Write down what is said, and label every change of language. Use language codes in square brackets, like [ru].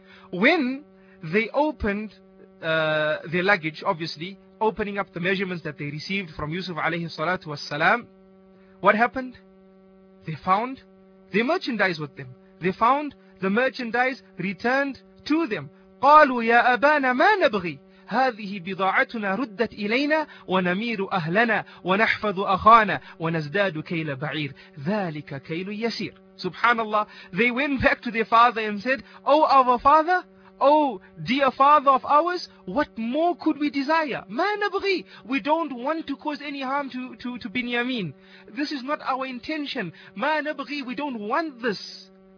[en] When they opened their luggage, obviously, opening up the measurements that they received from Yusuf alayhi salatu wasalam, what happened? They found their merchandise with them. They found the merchandise returned to them. [ar] قَالُوا يَا أَبَانَ مَا نَبْغِي, هذه بضاعتنا ردت إلينا ونمير أهلنا ونحفظ أخانا ونزداد كيل بعير ذلك كيل يسير. [en] Subhanallah, they went back to their father and said, O our father, O dear father of ours, what more could we desire? [ar] ما نبغي, [en] we don't want to cause any harm to Binyamin. This is not our intention. [ar] ما نبغي, [en] we don't want this.